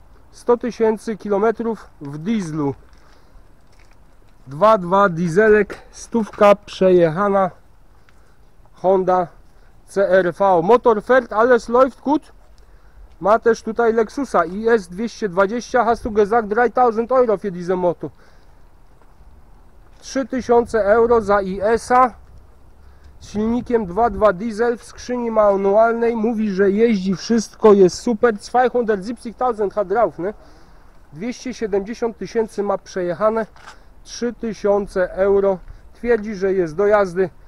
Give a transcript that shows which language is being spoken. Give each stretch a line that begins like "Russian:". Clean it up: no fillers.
Polish: 100 tysięcy kilometrów w dieslu. 2,2 dieselek, stówka przejechana. Honda CRV.
German: Motor fährt, alles läuft gut.
Polish: Ma też tutaj Lexusa IS220.
German: Hast du gesagt 3000 euro für diese Motor?
Polish: 3000 euro za IS-a. Silnikiem 2,2 diesel w skrzyni manualnej. Mówi, że jeździ wszystko, jest super. 270,000
German: hat drauf,
Polish: nie? 270 tysięcy ma przejechane. 3000 euro. Twierdzi, że jest do jazdy.